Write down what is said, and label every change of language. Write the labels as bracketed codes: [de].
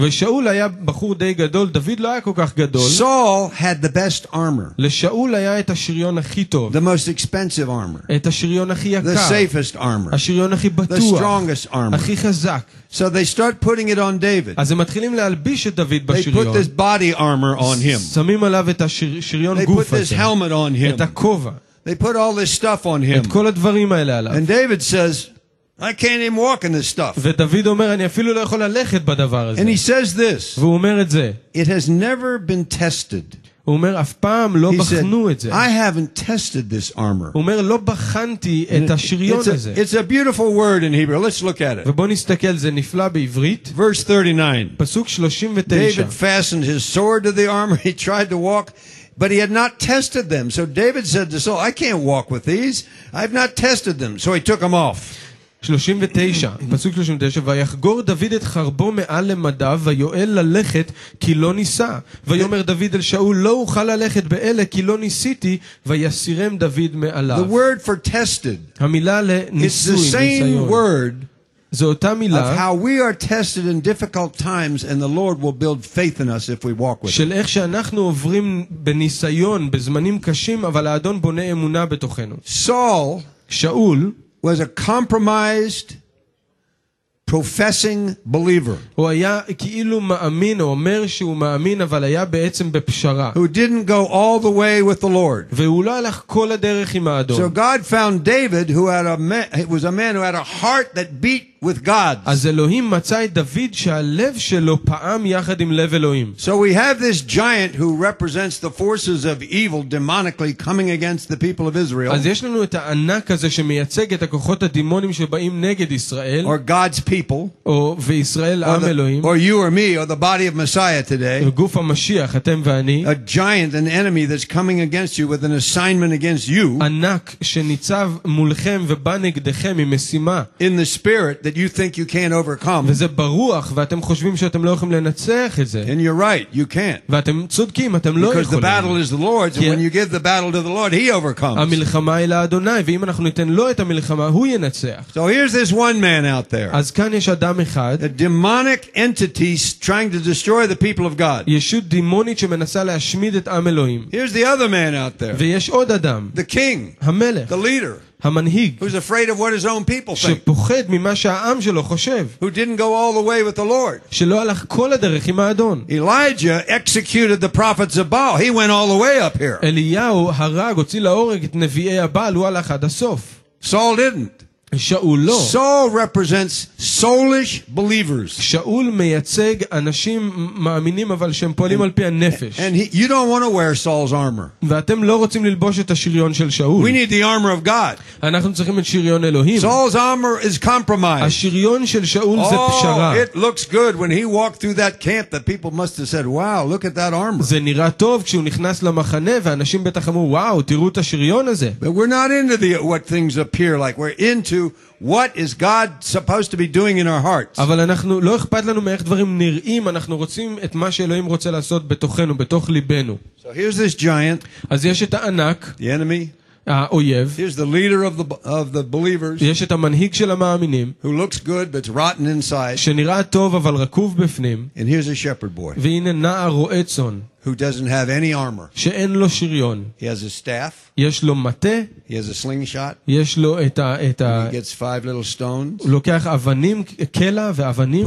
[he] ושאול היה בחור די גדול, דוד לא היה כל כך גדול. [en] Saul had the best armor. [he] לשאול היה את השריון הכי טוב. [en] The most expensive armor. [he] את השריון הכי יקר. [en] The safest armor. [he] השריון הכי בטוח. [en] The strongest armor. [he] הכי חזק. [en] So they start putting it on David. [he] אז הם מתחילים להלביש את דוד בשריון. [en] They put this body armor on him. [he] שמים עליו את השריון גוף. [en] They put this helmet on him. [he] את הכובע. [en] They put all this stuff on him. [he] את כל הדברים האלה עליו. [en] And David says, I can't even walk in this stuff. [he] ודוד אומר, אני אפילו לא יכול ללכת בדבר הזה. [en] And he says this. [he] והוא אומר את זה. [en] It has never been tested. [he] הוא אומר, אף פעם לא בחנו את זה. [en] I haven't tested this armor. [he] הוא אומר, לא בחנתי את השריון הזה. [en] It's a beautiful word in Hebrew. Let's look at it. [he] ובוא נסתכל, זה נפלא בעברית. [en] Verse 39. [he] פסוק 39. [en] David fastened his sword to the armor. He tried to walk, but he had not tested them. So David said to Saul, I can't walk with these. I've not tested them. So he took them off. [he] 39, פסוק 39, ויחגור דוד את חרבו מעל למדיו, ויואל ללכת כי לא ניסה. ויאמר דוד אל שאול, לא אוכל ללכת באלה כי לא ניסיתי, ויסירם דוד מעליו. [en] The word for tested, [he] המילה לניסוי, [en] it's the same word, [he] זו אותה מילה, [en] of how we are tested in difficult times and the Lord will build faith in us if we walk with him. [he] של איך שאנחנו עוברים בניסיון, בזמנים קשים, אבל האדון בונה אמונה בתוכנו. [en] Saul, [he] שאול, [en] was a compromised professing believer. [he] הוא היה כאילו מאמין, הוא אומר שהוא מאמין, אבל היה בעצם בפשרה. [en] Who didn't go all the way with the Lord. [he] והוא לא הלך כל הדרך עם האדון. [en] So God found David, who had a man, was a man who had a heart that beat with God. [he] אז אלוהים מצא את דוד שהלב שלו פעם יחד עם לב אלוהים. [en] So we have this giant who represents the forces of evil demonically coming against the people of Israel. [he] אז יש לנו את הענק הזה שמייצג את הכוחות הדמונים שבאים נגד ישראל. [en] Or God's people. [he] או ישראל עם אלוהים. [en] Or you or me or the body of Messiah today. [he] גוף המשיח אתם ואני. [en] A giant, an enemy that's coming against you with an assignment against you. [he] ענק שניצב מולכם ובא נגדכם עם משימה. [en] In the spirit that you think you can't overcome. [he] וזה ברוח ואתם חושבים שאתם לא יכולים לנצח את זה. [en] And you're right, you can't. [he] ואתם צודקים, אתם לא יכולים. [en] Because the battle is the Lord's, and when you give the battle to the Lord, he overcomes. [he] המלחמה היא לאדוני, ואם אנחנו ניתן לו את המלחמה, הוא ינצח. [en] So here's this one man out there. [he] אז כאן יש אדם אחד. [en] A demonic entity trying to destroy the people of God. [he] ישות דמונית שמנסה להשמיד את עם אלוהים. [en] Here's the other man out there. [he] ויש עוד אדם. [en] The king. [he] המלך. [en] The leader. [he] המנהיג, [en] who's afraid of what his own people think. [he] שפוחד ממה שהעם שלו חושב. [en] Who didn't go all the way with the Lord. [he] שלא הלך כל הדרך עם האדון. [en] Elijah executed the prophet Zabal. He went all the way up here. [he] אליהו הרג, הוציא להורג את נביאי הבעל, הוא הלך עד הסוף. [en] Saul didn't. [he] שאול לא. [en] Saul represents soulish believers. [he] שאול מייצג אנשים מאמינים אבל שהם פועלים על פי הנפש. [en] And he, you don't want to wear Saul's armor. [he] ואתם לא רוצים ללבוש את השריון של שאול. [en] We need the armor of God. [he] אנחנו צריכים את שריון אלוהים. [en] Saul's armor is compromised. [he] השריון של שאול זה פשרה. [en] It looks good when he walked through that camp that people must have said, "Wow, look at that armor." [he] זה נראה טוב כשהוא נכנס למחנה ואנשים בטח אמרו, "וואו, תראו את השריון הזה." [en] But we're not into the what things appear like. We're into what is God supposed to be doing in our hearts. [he] אבל אנחנו לא אכפת לנו מאיך דברים נראים, אנחנו רוצים את מה שאלוהים רוצה לעשות בתוכנו, בתוך ליבנו. [en] So here's this giant. [he] אז יש את הענק. [en] The enemy. [he] האויב. [en] Here's the leader of the believers. [he] יש את המנהיג של המאמינים. [en] Who looks good but rotten inside. [he] שנראה טוב אבל רקוב בפנים. [en] And here's a shepherd boy. [he] והנה נער רועה צאן. [en] Who doesn't have any armor. [he] שאין לו שריון. [en] He has a staff. [he] יש לו מטה. [en] He has a slingshot. [he] יש לו את ה... [en] He gets five little stones. [he] הוא לוקח אבנים, קלע ואבנים.